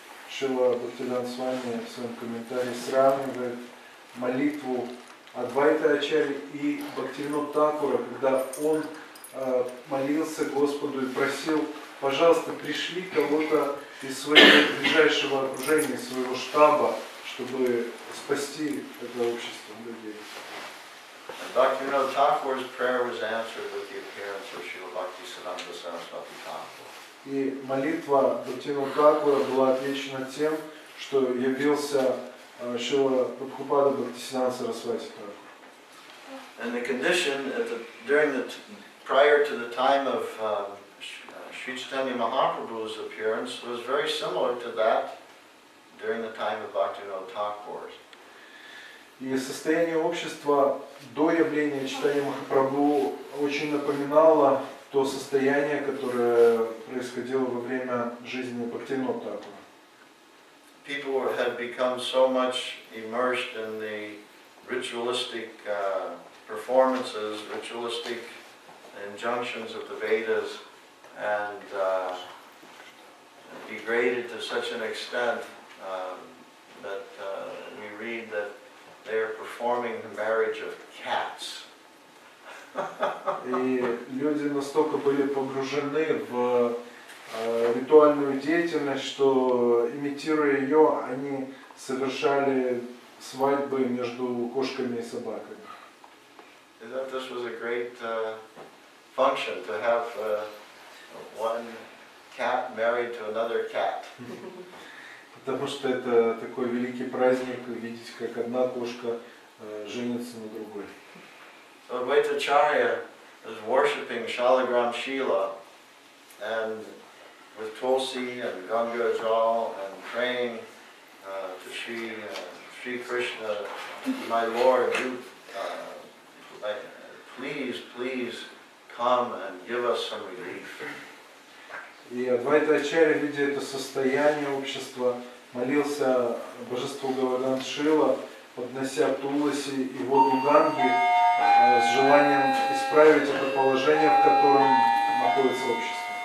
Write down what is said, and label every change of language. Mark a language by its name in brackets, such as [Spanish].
[Russian] Srila Bhaktivinoda Swami в своем комментарии сравнивает молитву Адвайта Ачарьи и Бхактивинода Такура, когда он молился Господу и просил: пожалуйста, пришли кого-то из своего ближайшего окружения, своего штаба, чтобы спасти это общество людей. [English] And Bhaktivinoda Thakur's prayer was answered with the appearance of Srila Bhaktisiddhanta Saraswati Thakur. [Russian] И молитва Бхактивинода Такура была отвечена тем, что явился Шрила Прабхупада Бхактисиддханта Сарасвати Такур. [English] And the condition at the, during the prior to the time of Sri Chaitanya Mahaprabhu's appearance was very similar to that during the time of Bhaktivinoda Thakur's. [Russian] И состояние общества до явления Чайтанья Махапрабху очень напоминало то состояние, которое происходило во время жизни Бхактивинода Тхакура. [English] People had become so much immersed in the ritualistic performances, ritualistic injunctions of the Vedas, and degraded to such an extent that we read that they are performing the marriage of cats. [Russian] И люди настолько были погружены в ритуальную деятельность, что имитируя ее, они совершали свадьбы между кошками и собаками. [English] I thought this was a great function to have one cat married to another cat. [Russian] Потому что это такой великий праздник видеть, как одна кошка женится на другой. [English] So Advaita Acharya is worshipping Shalagram Shila and with Tulsi and Ganga Jal and praying to Sri Sri Krishna, my Lord, you please come and give us some relief. [Russian] И Advaita Acharya, видя это состояние общества, молился божеству Говардан Шила, поднося Тулоси и воду Ганги с желанием исправить это положение, в котором находится общество.